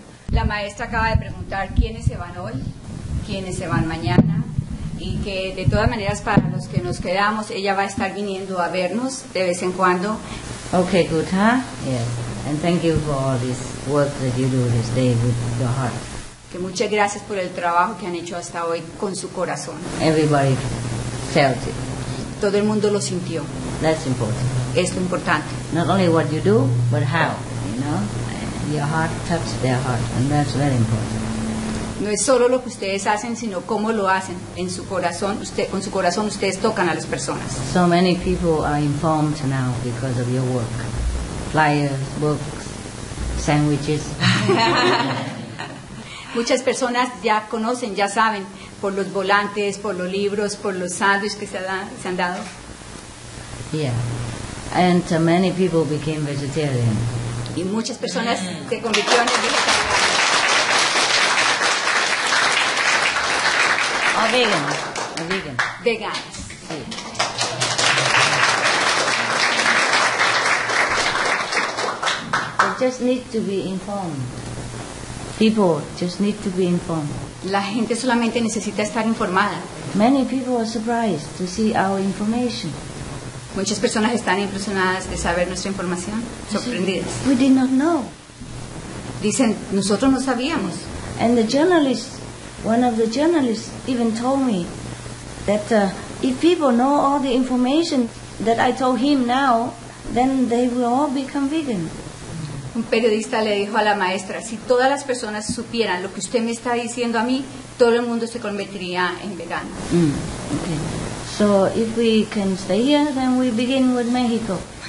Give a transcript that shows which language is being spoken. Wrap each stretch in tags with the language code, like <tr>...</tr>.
<es>La maestra acaba de preguntar quiénes se van hoy, quiénes se van mañana, y que de todas maneras para los que nos quedamos, ella va a estar viniendo a vernos de vez en cuando.</es> <en>Okay, good, huh? Yes. And thank you for all this work that you do this day with your heart.</en> <es>Que muchas gracias por el trabajo que han hecho hasta hoy con su corazón.</es> <en>Everybody felt it.</en> <es>Todo el mundo lo sintió.</es> <en>That's important.</en> <es>Es lo importante.</es> <en>Not only what you do, but how, you know? Your heart touched their heart, and that's very important.</en> <es>No es solo lo que ustedes hacen, sino cómo lo hacen. En su corazón, usted, con su corazón ustedes tocan a las personas.</es> <en>So many people are informed now because of your work. Flyers, books, sandwiches.</en> <es>Muchas personas ya conocen, ya saben, por los volantes, por los libros, por los sándwiches que se han dado.</es> <en>Yeah. And many people became vegetarian.</en> <es>Y muchas personas se convirtieron en vegetarianos. O vegan. Veganos.</es> <en>They just need to be informed. People just need to be informed.</en> <es>La gente solamente necesita estar informada.</es> <en>Many people are surprised to see our information.</en> <es>Muchas personas están impresionadas de saber nuestra información, sorprendidas.</es> <en>We did not know.</en> <es>Dicen, nosotros no sabíamos.</es> <en>And the journalist, one of the journalists even told me that if people know all the information that I told him now, then they will all become vegan.</en> <es>Un periodista le dijo a la maestra, si todas las personas supieran lo que usted me está diciendo a mí, todo el mundo se convertiría en vegano.</es> <en>Okay. So if we can stay here, then we begin with Mexico.</en>